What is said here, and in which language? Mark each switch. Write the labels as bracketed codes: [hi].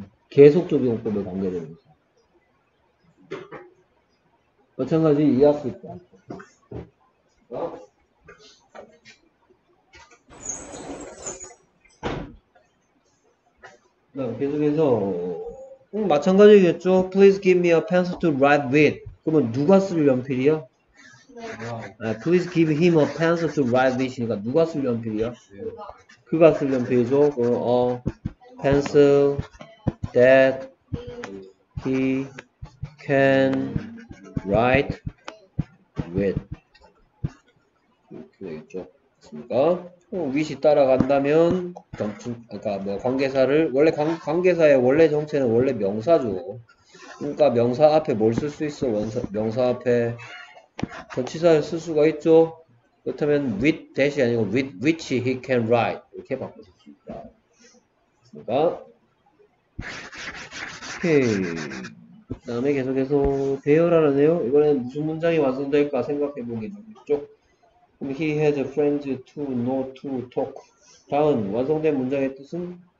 [ko] 계속적인 용법에 관계되는 거. 마찬가지 이 학교 있다. 네, 계속해서 마찬가지겠죠. [en] Please give me a pencil to write with. [ko] 그러면 누가 쓸 연필이야? [en] Please give him a pencil to write with. [ko] 그러니까 누가 쓸 연필이야? 그가 쓸 연필이죠. 그럼 [en] pencil that he can write with. [ko] 이렇게 되겠죠. 맞습니까? with이 따라간다면 그러니까 뭐 관계사를 원래 관계사의 원래 정체는 원래 명사죠. 그러니까 명사 앞에 뭘 쓸 수 있어? 명사 앞에 전치사를 쓸 수가 있죠. 그렇다면 [en] with that [ko] 이 아니고 [en] with which he can write [ko] 이렇게 바꿀 수 있다. 그러니까 오케이. 그다음에 계속해서 대열하라네요. 이번에는 무슨 문장이 완성될까 생각해 보겠죠. [en] He has a friend to know to talk. [ko] 다음 완성된 문장의 뜻은